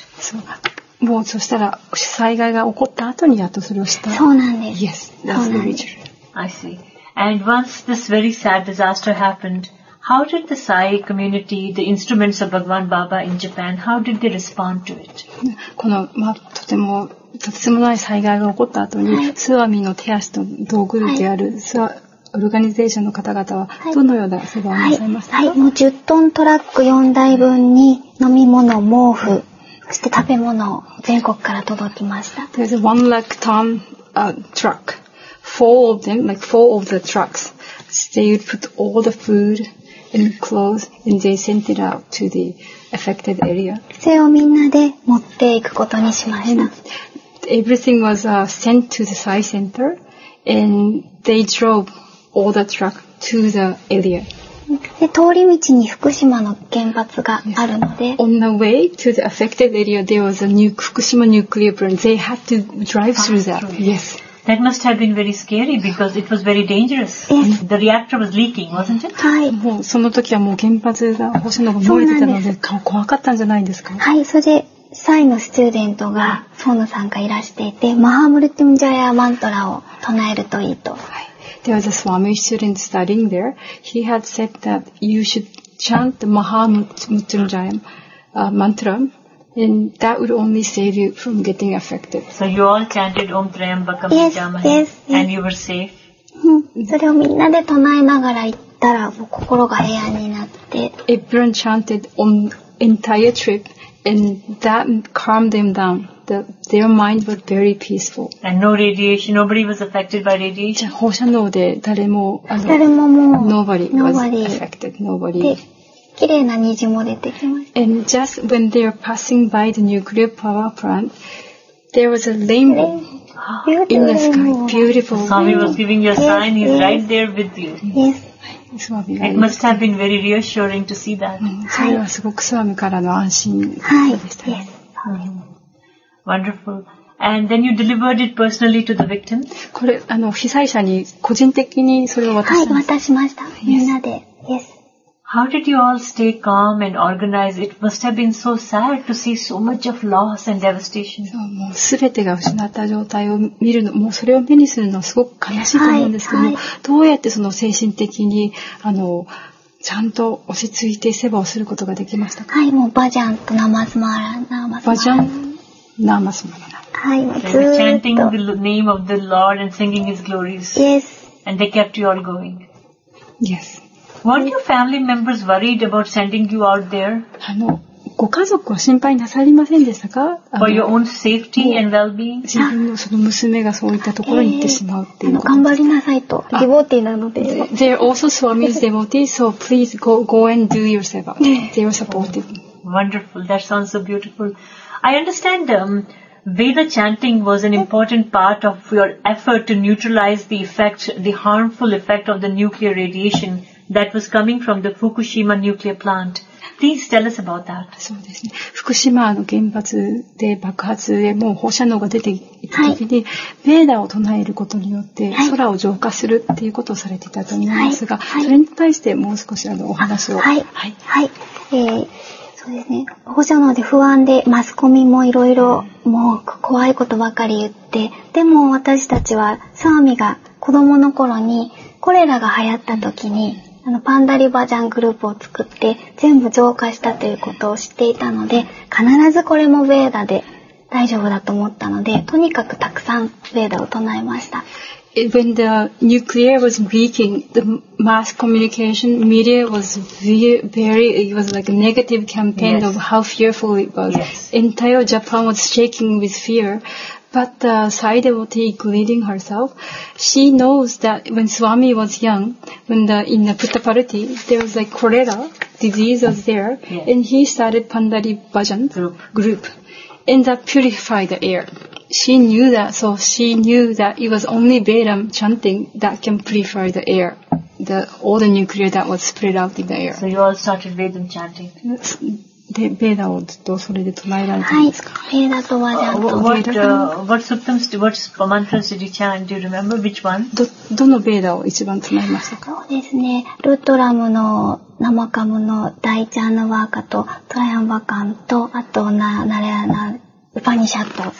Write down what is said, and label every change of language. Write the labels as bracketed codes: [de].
[ja] そう。もうそしたら災害が起こった後にやっとそれを知った。そうなんです。 [en] Yes, that's very true. I see. And once this very sad disaster happened, how did the Sai community, the instruments of Bhagwan Baba in Japan, how did they respond to it? [ja] この、まあ、とても、とてもない災害が起こった後に、スワミの手足と同グループであるスワ、オルガニゼーションの方々は、どのような世話をなさいましたか？はい、もう10トントラック4台分に飲み物、毛布、そして食べ物を全国から届きました。 [en] There's a 1 lakh ton, truck. Four of them, like four of the trucks, they would put all the food and clothes and they sent it out to the affected area. [ja] それをみんなで持っていくことにしました。 [en] Everything was sent to the Sai Center and they drove all the truck to the area. [ja] で、通り道に福島の原発があるので。 [en] On the way to the affected area, there was a new 福島 nuclear plant. They had to drive through that. Yes. That must have been very scary because it was very dangerous. The reactor was leaking, wasn't it? [ja] はい。もうその時はもう原発が放射能が漏れてたので怖かったんじゃないですか？はい。それで、サイのスチューデントが、ソーナさんがいらしていて、マハムルティムジャヤマントラを唱えるといいと。はい。 [en] There was a Swami student studying there. He had said that you should chant the Mahamrityunjaya mantra. And that would only save you from getting affected. So you all chanted Om Trayambakam Jamahe. Yes, yes, yes. And you were safe. [ja] それをみんなで唱えながら行ったら、もう心が平安になって。 [en] Everyone chanted on entire trip, and that calmed them down. Their mind was very peaceful. And no radiation. Nobody was affected by radiation. [ja] 放射能で誰も、誰ももう、 [en] nobody was affected. Nobody. [ja] 綺麗な虹も出てきました。 [en] And just when they are passing by the nuclear power plant, there was a rainbow in the sky. Beautiful. Swami was giving you a sign. Yes, He's right there with you. Yes. It must have been very reassuring to see that. [ja] それはすごくスワミからの安心でした。はい。 [en] Yes. Wonderful. And then you delivered it personally to the victims? [ja] これ、被災者に個人的にそれを渡した。はい、渡しました。みんなで。 [en] Yes. How did you all stay calm and organized? It must have been so sad to see so much of loss and devastation. [ja] そう、もうすべてが失った状態を見るの、もうそれを目にするのはすごく悲しいと思うんですけども、はい、どうやってその精神的に、ちゃんと落ち着いて世話をすることができましたか？はい、もうバジャンとナマスマラナマスマラ。バジャンナマスマラナ。はい、ずっと。 [en] Chanting the name of the Lord and singing His glories. Yes. And they kept you all going. Yes. Weren't your family members worried about sending you out there? [ja] ご家族は心配なさりませんでしたか？ [en] For your own safety and well-being? [ja] 自分のその娘がそういったところに行ってしまうっていう。頑張りなさいと。デボティなので。 [en] They're also Swami's devotees, so please go and do your seva. They were supportive. Wonderful. That sounds so beautiful. I understand Veda chanting was an important part of your effort to neutralize the effect, the harmful effect of the nuclear radiation. That was coming from the Fukushima nuclear plant. Please tell us about that. [ja] そうですね。福島の原発で爆発でもう放射能が出ていた時に、ベーダを唱えることによって空を浄化するっていうことをされていたと思いますが、それに対してもう少しお話を。はい。はい。はい。そうですね。放射能で不安でマスコミもいろいろもう怖いことばかり言って、でも私たちはサーミが子供の頃にコレラが流行った時に、パンダリバジャングループを作って全部浄化したということを知っていたので、必ずこれもベーダで大丈夫だと思ったので、とにかくたくさんベーダを唱えました。 [en] When the nuclear was leaking, the mass communication media was very, it was like a negative campaign of how fearful it was. Entire Japan was shaking with fear. But the Sai devotee, including herself, she knows that when Swami was young, when in the Puttaparthi, there was like cholera disease was there, and he started Pandari Bhajan group, and that purified the air. She knew that, so she knew that it was only Vedam chanting that can purify the air. the all the nuclear that was spread out in the air. So you all started rhythm chanting. [ja] で、ベーダをずっとそれで唱えられたんですか。はい、ベーダとはちゃんと。 [en] What suttams, what mantras did you chant? Do you remember which one? [ja] どのベーダを一番唱えましたか。そうですね。ルトラムのナマカムのダイチャーヌワーカとトライアンバカンとあとナレアナウパニシャット。